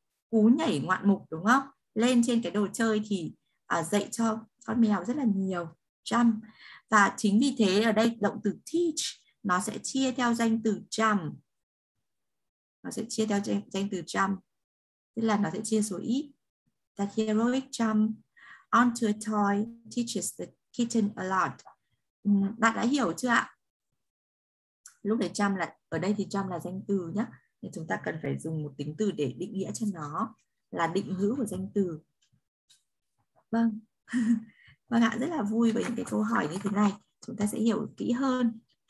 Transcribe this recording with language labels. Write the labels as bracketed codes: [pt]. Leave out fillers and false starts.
[vi] Cú nhảy ngoạn mục, đúng không? Lên trên cái đồ chơi thì dạy cho con mèo rất là nhiều. Jump. Và chính vì thế ở đây động từ teach nó sẽ chia theo danh từ jump. Nó sẽ chia theo danh từ jump. Tức là nó sẽ chia số ít. [en] That heroic jump onto a toy teaches the kitten a lot. [vi] Bạn đã hiểu chưa ạ? Lúc này jump là, ở đây thì jump là danh từ nhé. Thì chúng ta cần phải dùng một tính từ để định nghĩa cho nó, là định ngữ của danh từ. Vâng. Vâng ạ, rất là vui với những cái câu hỏi như thế này. Chúng ta sẽ hiểu kỹ hơn.